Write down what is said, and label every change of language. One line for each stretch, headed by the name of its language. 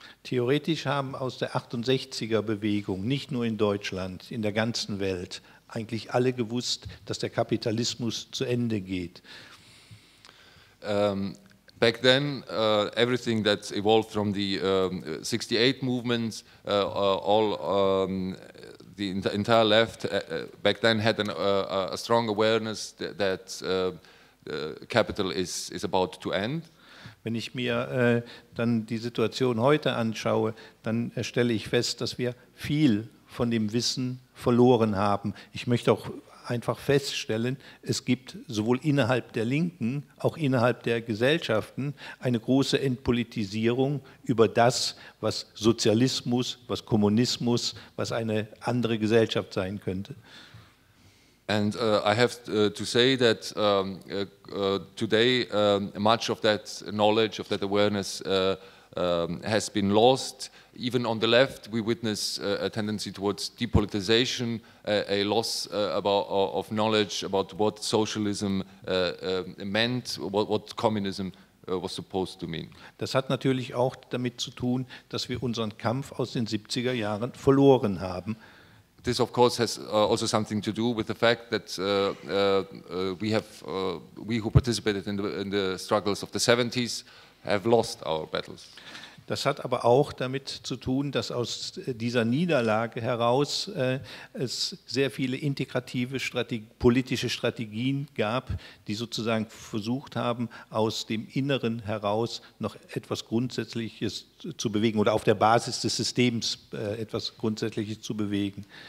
German: Theoretisch haben aus der 68er Bewegung, nicht nur in Deutschland, in der ganzen Welt, eigentlich alle gewusst, dass der Kapitalismus zu Ende geht.
English: Back then, everything that evolved from the 68 movements, the entire left back then had a strong awareness that capital is about to end.
German: Wenn ich mir dann die Situation heute anschaue, dann stelle ich fest, dass wir viel von dem Wissen verloren haben. Ich möchte auch einfach feststellen, es gibt sowohl innerhalb der Linken, auch innerhalb der Gesellschaften, eine große Entpolitisierung über das, was Sozialismus, was Kommunismus, was eine andere Gesellschaft sein könnte.
English: And I have to say that today much of that knowledge, of that awareness has been lost. Even on the left, we witness a tendency towards depolitization, a loss of knowledge about what socialism meant, what communism was supposed to mean.
German: Das hat natürlich auch damit zu tun, dass wir unseren Kampf aus den 70er Jahren verloren haben.
English: This, of course, has also something to do with the fact that we who participated in the struggles of the 70s have lost our battles.
German: Das hat aber auch damit zu tun, dass aus dieser Niederlage heraus es sehr viele integrative politische Strategien gab, die sozusagen versucht haben, aus dem Inneren heraus noch etwas Grundsätzliches zu bewegen oder auf der Basis des Systems etwas Grundsätzliches zu bewegen.